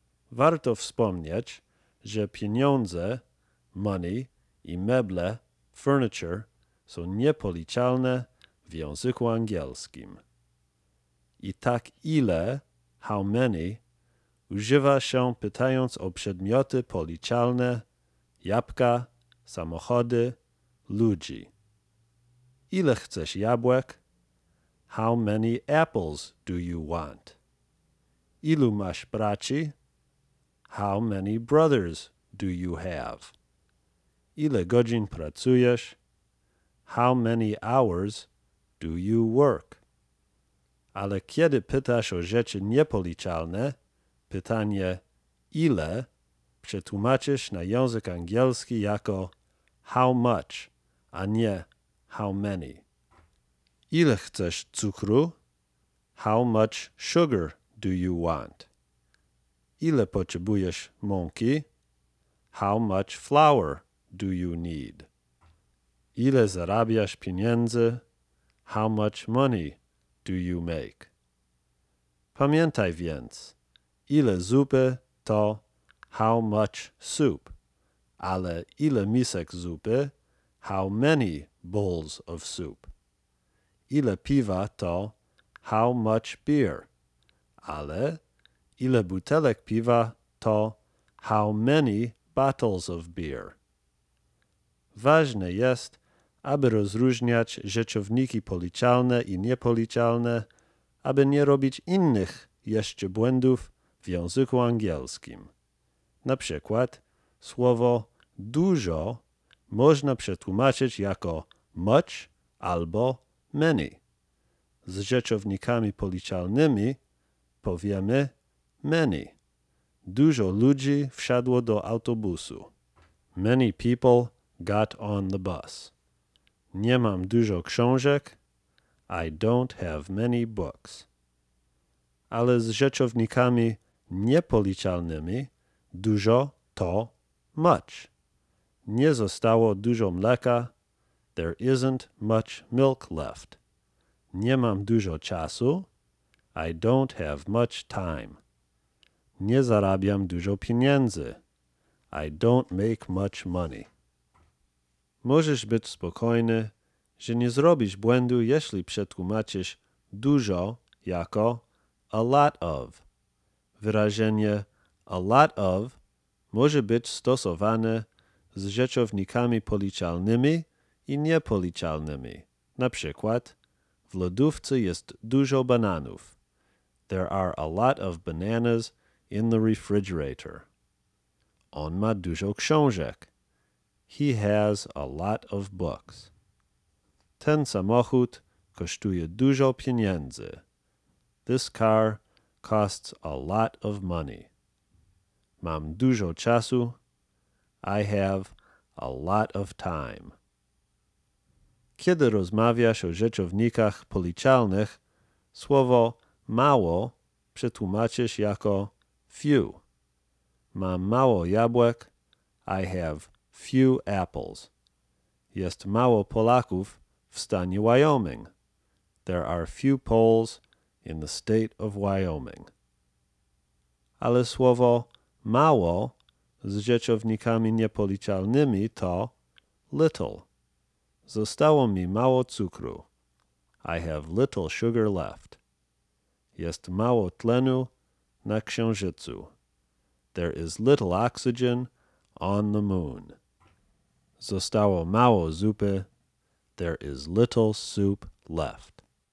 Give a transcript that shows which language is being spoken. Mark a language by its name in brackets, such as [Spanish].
[Polish] Warto wspomnieć, że pieniądze, money, i meble, furniture, są niepoliczalne w języku angielskim. I tak ile, [English] how many, [Polish] używa się pytając o przedmioty policzalne, jabłka, samochody, ludzi. Ile chcesz jabłek? [English] How many apples do you want? [Polish] Ilu masz braci? [English] How many brothers do you have? [Polish] Ile godzin pracujesz? [English] How many hours do you work? [Polish] Ale kiedy pytasz o rzeczy niepoliczalne, pytanie ile przetłumaczysz na język angielski jako [English] how much, [Polish] a nie [English] how many. [Polish] Ile chcesz cukru? [English] How much sugar do you want? [Polish] Ile potrzebujesz mąki? [English] How much flour do you need? [Polish] Ile zarabiasz pieniędzy? [English] How much money do you make? [Polish] Pamiętaj więc, ile zupy to [English] how much soup, [Polish] ale ile misek zupy, [English] how many bowls of soup. [Polish] Ile piwa to [English] how much beer, [Polish] ale ile butelek piwa to [English] how many bottles of beer. [Polish] Ważne jest, aby rozróżniać rzeczowniki policzalne i niepoliczalne, aby nie robić innych jeszcze błędów w języku angielskim. Na przykład słowo dużo można przetłumaczyć jako much albo many. Z rzeczownikami policzalnymi powiemy many. Dużo ludzi wsiadło do autobusu. [English] Many people got on the bus. [Polish] Nie mam dużo książek. [English] I don't have many books. [Polish] Ale z rzeczownikami niepoliczalnymi dużo to much. Nie zostało dużo mleka. [English] There isn't much milk left. [Polish] Nie mam dużo czasu. [English] I don't have much time. [Polish] Nie zarabiam dużo pieniędzy. [English] I don't make much money. [Polish] Możesz być spokojny, że nie zrobisz błędu, jeśli przetłumaczysz dużo jako [English] a lot of. [Polish] Wyrażenie [English] a lot of [Polish] może być stosowane z rzeczownikami policzalnymi i niepoliczalnymi. Na przykład, w lodówce jest dużo bananów. [English] There are a lot of bananas in the refrigerator. [Polish] On ma dużo książek. [English] He has a lot of books. [Polish] Ten samochód kosztuje dużo pieniędzy. [English] This car costs a lot of money. [Polish] Mam dużo czasu. [English] I have a lot of time. [Polish] Kiedy rozmawiasz o rzeczownikach policzalnych, słowo mało przetłumaczysz jako few. Mam mało jabłek. [English] I have few apples. [Polish] Jest mało Polaków w stanie Wyoming. [English] There are few Poles in the state of Wyoming. [Polish] Ale słowo mało z rzeczownikami niepoliczalnymi to little. Zostało mi mało cukru. [English] I have little sugar left. [Polish] Jest mało tlenu na księżycu. [English] There is little oxygen on the moon. [Polish] Zostało mało zupy. [English] There is little soup left.